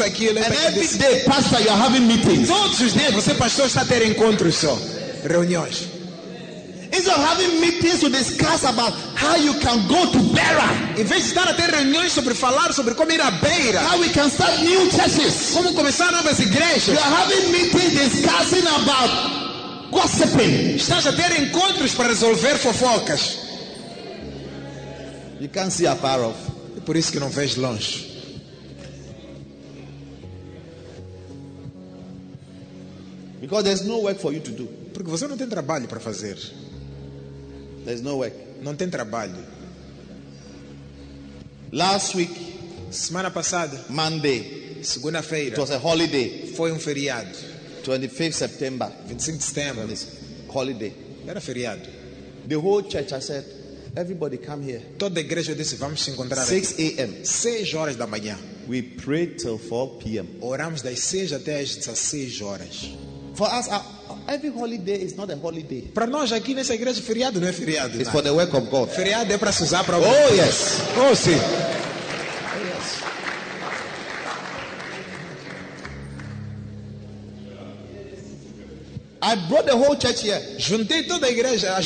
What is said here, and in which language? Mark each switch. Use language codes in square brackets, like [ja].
[en] And every day, pastor, you are having meetings. [pt] Todos os dias, você pastor está a ter encontros só, reuniões. [en] Instead of having meetings to discuss about how you can go to Beira, [pt] em vez de estar a ter reuniões sobre falar sobre como ir a Beira, [en] how we can start new churches, [pt] como começar novas igrejas, [en] you are having meetings discussing about gossiping. [pt] Estás a ter encontros para resolver fofocas. [en] You can't see afar off. [pt] É por isso que não vejo longe. [en] Because there's no work for you to do. [pt] Porque você não tem trabalho para fazer. [en] There's no work. [pt] Não tem trabalho. [en] Last week, [pt] semana passada, [en] Monday, [pt] segunda-feira, [en] it was a holiday. [pt] Foi feriado. [en] 25 September. [pt] 25 de setembro. [en] Holiday. [pt] Era feriado. [en] The whole church, I said, everybody come here. [pt] Toda a igreja disse, vamos se encontrar. [en] 6 a.m. [pt] 6 horas da manhã. [en] We prayed till 4 p.m. [pt] Oramos das 6 até as 16 horas. [en] For us, every holiday is not a holiday. [pt] Para nós aqui nessa igreja, feriado não é feriado. [en] It's for the work of God. [pt] Feriado é para se usar para. [en] Oh yes. [pt] Oh sim. [en] Oh yes. I brought the whole church here. [pt] Juntei toda a igreja.